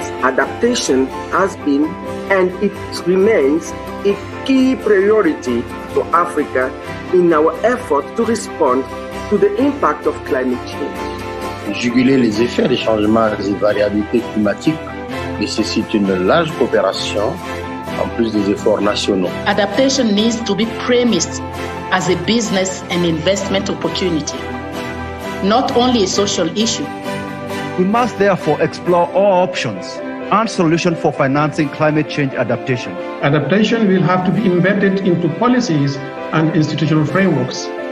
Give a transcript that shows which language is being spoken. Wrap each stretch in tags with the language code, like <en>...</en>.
<en>Adaptation has been and it remains a key priority for Africa in our effort to respond to the impact of climate change.</en> <fr>Juguler les effets des changements et variabilités climatiques nécessite une large coopération en plus des efforts nationaux.</fr> <en>Adaptation needs to be premised as a business and investment opportunity, not only a social issue. We must therefore explore all options and solutions for financing climate change adaptation. Adaptation will have to be embedded into policies and institutional frameworks.</en>